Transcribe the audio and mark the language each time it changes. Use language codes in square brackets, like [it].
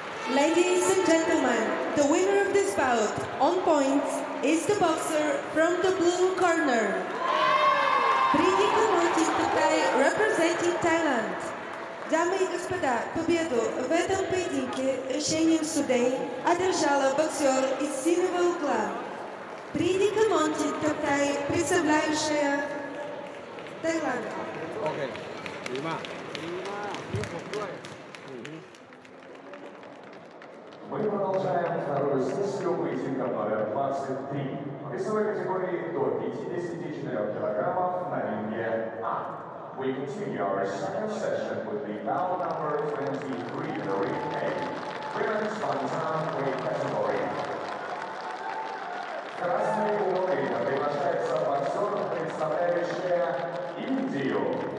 [en] Ladies and gentlemen, the winner of this bout on points is the boxer from the blue corner, Brigi Komotin Tutai, representing Thailand. [ru] Дамы и господа, победу в этом поединке решением судей одержала боксер из синего угла. Brigi Komotin Tutai, представляющая Таиланд. Окей, Дима. Мы продолжаем вторую сессию поединка номер 23 весовой категории до 50 килограммов на ринге А. [en] We continue our second session with the bout number 23 in the ring A. Women's Bantam weight category. [ru] Красные уровни приглашается боксер, представляющая Индию.